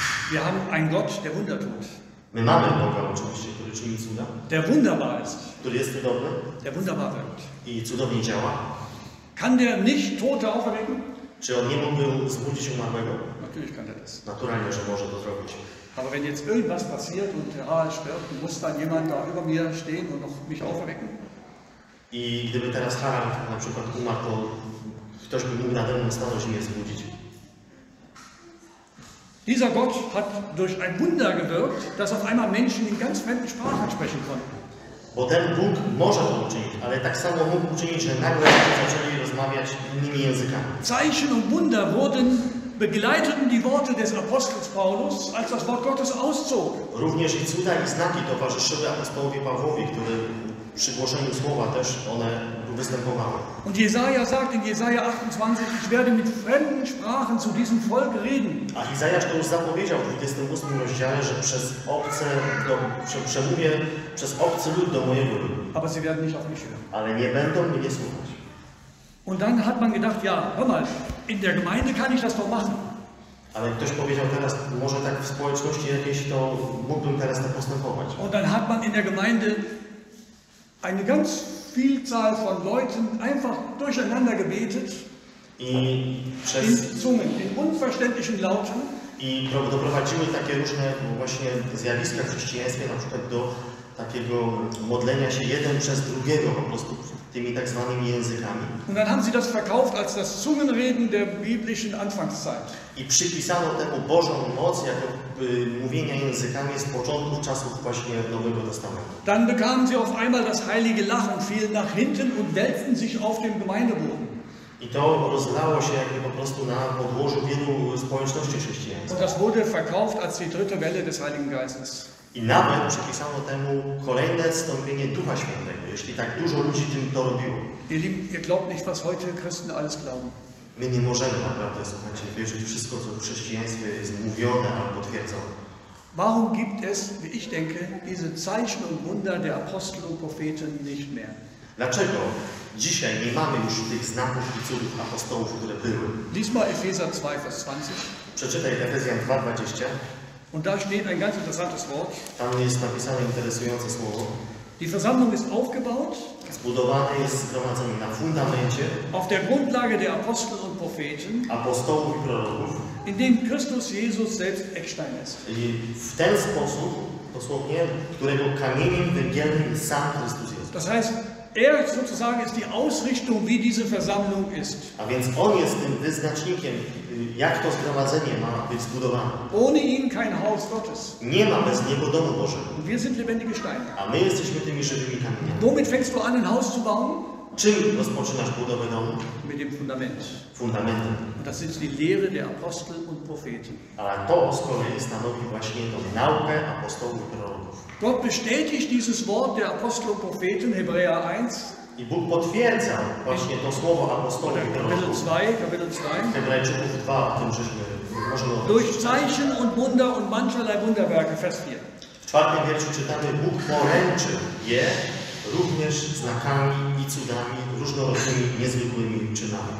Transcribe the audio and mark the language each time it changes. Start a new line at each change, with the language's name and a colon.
German: Wir haben einen Gott, der Wunder tut.
Polish: My mamy Boga oczywiście, który czyni cuda.
German: Der wunderbar ist.
Polish: Który jest cudowny.
German: Der wunderbar wirkt.
Polish: I cudownie działa.
German: Kann der nicht Tote auferwecken?
Polish: Czy on nie mógł wzbudzić umarłego?
German: Natürlich kann der das.
Polish: Naturalnie, że może to zrobić.
German: Aber wenn jetzt irgendwas passiert und der Herr stirbt, muss dann jemand da über mir stehen und noch mich auferwecken?
Polish: I gdyby teraz Harald na przykład umarł, to ktoś by mógł nade mną stanąć i mnie zbudzić.
German: Dieser Gott hat durch ein Wunder gewirkt, dass auf einmal Menschen in ganz fremden Sprachen sprechen konnten.
Polish: Bo ten Bóg może to uczynić, ale tak samo mógł uczynić, że nagle zaczęli rozmawiać innymi językami.
German: Zeichen und Wunder wurden begleiteten die Worte des Apostels Paulus, als das Wort Gottes auszog.
Polish: Również i cuda i znaki towarzyszyły apostołowi Pawłowi, który przy głoszeniu słowa też one występowały.
German: Und Jesaja sagt in Jesaja 28, ich werde mit fremden Sprachen zu diesem Volk reden.
Polish: A Izajasz to już zapowiedział w 28 rozdziale, że przez obce przemówię przez obcy lud do mojego ludu.
German: Aber sie werden nicht auf mich hören.
Polish: Ale nie będą mnie słuchać.
German: Und dann hat man gedacht, ja, hör mal, in der Gemeinde kann ich das doch machen.
Polish: Ale ktoś powiedział teraz, może tak w społeczności jakiejś, to mógłbym teraz tak postępować.
German: Und dann hat man in der Gemeinde eine ganz Vielzahl von Leuten einfach durcheinander gebetet.
Polish: I przez,
German: in Zungen, in unverständlichen Lauten.
Polish: I doprowadziły takie różne właśnie zjawiska w chrześcijaństwie, na przykład do takiego modlenia się jeden przez drugiego po prostu tymi tak zwanymi językami.
German: Und dann haben sie das verkauft als das Zungenreden der biblischen Anfangszeit.
Polish: I przypisano temu Bożą moc jako mówienia językami z początków czasów właśnie Nowego Testamentu.
German: Dann bekamen sie auf einmal das heilige Lachen, fielen nach hinten und wälzten sich auf dem Gemeindeboden.
Polish: I to rozlało się jakby po prostu na podłożu wielu społeczności chrześcijańskich.
German: Und das wurde verkauft als die dritte Welle des Heiligen Geistes.
Polish: I nawet przypisano temu kolejne wstąpienie Ducha Świętego, jeśli tak dużo ludzi tym to robiło.
German: Ihr Lieben, ihr glaubt nicht, was heute Christen alles glauben.
Polish: My nie możemy naprawdę, słuchajcie, wierzyć wszystko, co w chrześcijaństwie jest mówione albo twierdzone.
German: Warum gibt es, wie ich denke, diese Zeichen und Wunder der Apostel und Propheten nicht mehr?
Polish: Dlaczego dzisiaj nie mamy już tych znaków i cudów apostołów, które były?
German: Diesmal Epheser 2, Vers 20.
Polish: Przeczytaj Efezjan 2, 20.
German: Und da steht ein ganz interessantes Wort.
Polish: Tam jest napisane interesujące słowo.
German: Die Versammlung ist aufgebaut.
Polish: Zbudowane jest zgromadzenie na fundamencie.
German: Auf der Grundlage der Apostel und Propheten.
Polish: Apostołów i proroków.
German: In dem Christus Jesus selbst Eckstein ist.
Polish: I w ten sposób, dosłownie, którego kamieniem węgielnym jest sam Chrystus Jezus.
German: Das heißt, er sozusagen ist die Ausrichtung, wie diese Versammlung ist.
Polish: A więc on jest tym wyznacznikiem, jak to zgromadzenie ma być zbudowane.
German: Ohne ihn kein Haus Gottes.
Polish: Nie ma bez niego domu Bożego.
German: Wir sind lebendige Steine.
Polish: A my jesteśmy tymi żywymi kamieniami.
German: Womit fängst du an, ein Haus zu bauen?
Polish: Czym rozpoczynasz budowę domu?
German: Mit dem Fundament.
Polish: Fundamentem.
German: Und das ist die Lehre der Apostel und Propheten.
Polish: A to z kolei stanowi właśnie tą naukę apostołów i proroków.
German: Gott bestätigt dieses Wort der Apostel und Propheten, Hebräer 1.
Polish: I Bóg potwierdza właśnie to słowo apostołów i proroków.
German: Kapitel 2, Kapitel 2.
Polish: Hebrajczyków 2, w tym żeśmy możemy
German: durch Zeichen und Wunder und mancherlei Wunderwerke, Vers 4.
Polish: W czwartym wierszu czytamy, Bóg poręczył je również znakami i cudami, różnorodnymi, niezwykłymi czynami.